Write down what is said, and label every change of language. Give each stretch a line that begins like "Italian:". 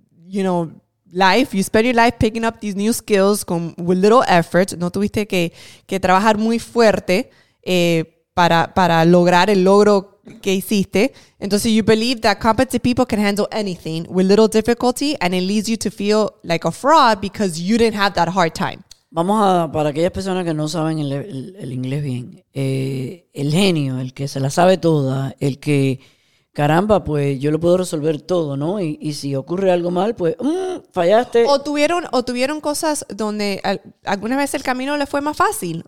English: You know, life, you spend your life picking up these new skills with little effort.
Spanish: No tuviste que trabajar muy fuerte para lograr el logro que hiciste.
English: Entonces, you believe that competent people can handle anything with little difficulty, and it leads you to feel like a fraud because you didn't have that hard time.
Spanish: Vamos a, para aquellas personas que no saben el inglés bien, el genio, el que se la sabe toda, el que... Caramba, pues yo lo puedo resolver todo, ¿no? Y si ocurre algo mal, pues fallaste. O tuvieron cosas donde alguna vez el camino le fue más fácil.